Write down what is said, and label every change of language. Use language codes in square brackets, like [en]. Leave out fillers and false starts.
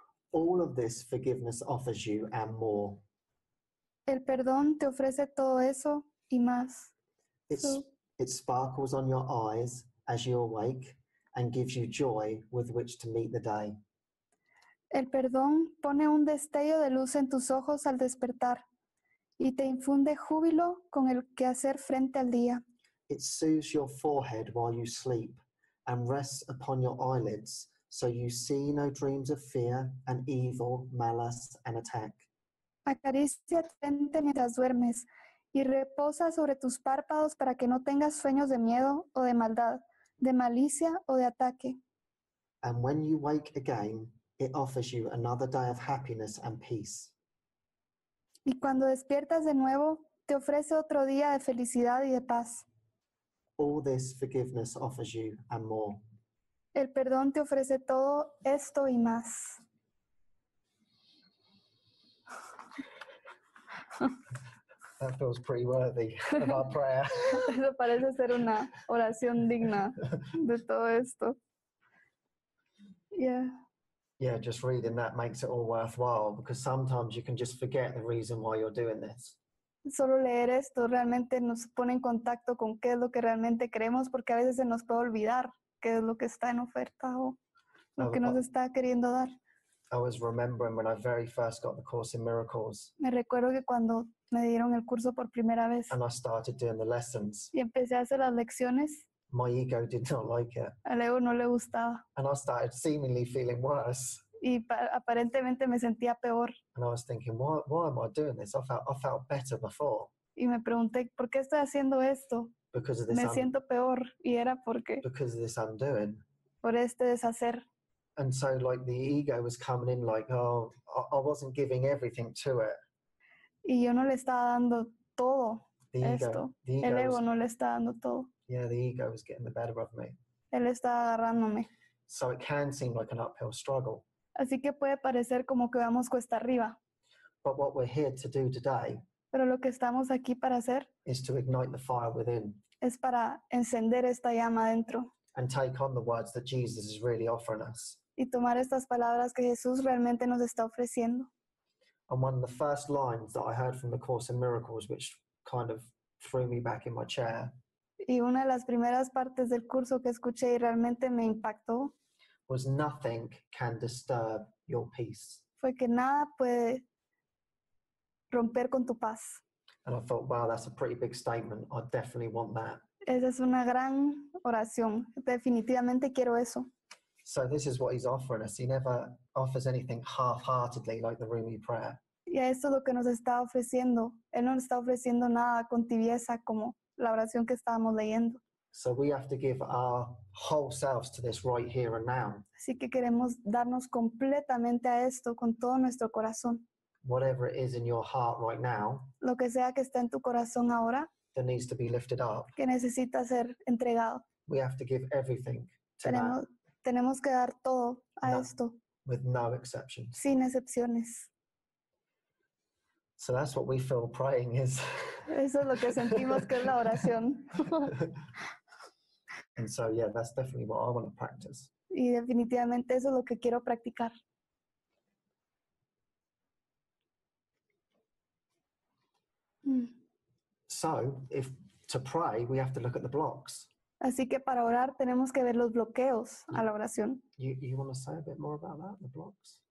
[en] All of this forgiveness offers you and more. [es] El perdón te ofrece todo eso y más. [en] It sparkles on your eyes as you awake and gives you joy with which to meet the day. [es] El perdón pone un destello de luz en tus ojos al despertar y te infunde júbilo con el que hacer frente al día. [en] It soothes your forehead while you sleep and rests upon your eyelids so you see no dreams of fear and evil, malice and attack. [es] Acaricia tu frente mientras duermes y reposa sobre tus párpados para que no tengas sueños de miedo o de maldad, de malicia o de ataque. [en] And when you wake again, it offers you another day of happiness and peace. [es] Y cuando despiertas de nuevo, te ofrece otro día de felicidad y de paz. [en] All this forgiveness offers you and more. [es] El perdón te ofrece todo esto y más. [en] That feels pretty worthy of our prayer. [es] Eso parece ser una oración digna de todo esto. [en] Yeah. Yeah, just reading that makes it all worthwhile because sometimes you can just forget the reason why you're doing this. [es] Solo leer esto realmente nos pone en contacto con qué es lo que realmente queremos porque a veces se nos puede olvidar qué es lo que está en oferta o lo que nos está queriendo dar. [en] I was remembering when I very first got the course in miracles. [es] Me recuerdo que cuando me dieron el curso por primera vez. [en] And I started doing the lessons. [es] Y empecé a hacer las lecciones. [en] My ego did not like it. [es] Al ego no le gustaba. [en] And I started seemingly feeling worse. [es] Y aparentemente me sentía peor. [en] And I was thinking, why am I doing this? I felt better before. [es] Y me pregunté, ¿por qué estoy haciendo esto? [en] Because of this. [es] Me siento peor. Y era porque. [en] Because of this undoing. [es] Por este deshacer. [en] And so, like, the ego was coming in, like, oh, I wasn't giving everything to it. [es] Y yo no le estaba dando todo esto. El ego no le estaba dando todo. [en] Yeah, the ego was getting the better of me. [es] Él estaba agarrándome. [en] So it can seem like an uphill struggle. [es] Así que puede parecer como que vamos cuesta arriba. [en] But what we're here to do today. [es] Pero lo que estamos aquí para hacer. [en] Is to ignite the fire within. [es] Es para encender esta llama dentro. [en] And take on the words that Jesus is really offering us. [es] Y tomar estas palabras que Jesús realmente nos está ofreciendo. [en] And one of the first lines that I heard from the Course in Miracles, which kind of threw me back in my chair. [es] Y una de las primeras partes del curso que escuché y realmente me impactó. [en] Was nothing can disturb your peace. [es] Fue que nada puede romper con tu paz. [en] And I thought, wow, that's a pretty big statement. I definitely want that. [es] Esa es una gran oración. Definitivamente quiero eso. [en] So this is what he's offering us. He never offers anything half-heartedly like the Rumi prayer. [es] Y esto es lo que nos está ofreciendo. Él no está ofreciendo nada con tibieza como la oración que estábamos leyendo. [en] So we have to give our whole selves to this right here and now. [es] Así que queremos darnos completamente a esto con todo nuestro corazón. [en] Whatever it is in your heart right now. [es] Lo que sea que esté en tu corazón ahora. [en] That needs to be lifted up. [es] Que necesita ser entregado. [en] We have to give everything to [es] tenemos que dar todo a esto. [en] With no exceptions. [es] Sin excepciones. [en] So that's what we feel praying is. [es] Eso es lo que sentimos que es la oración. [en] And so, yeah, that's definitely what I want to practice. [es] Y definitivamente eso es lo que quiero practicar. [en] So, if to pray, we have to look at the blocks. [es] Así que para orar tenemos que ver los bloqueos a la oración. [en] You want to say a bit more about that, the blocks?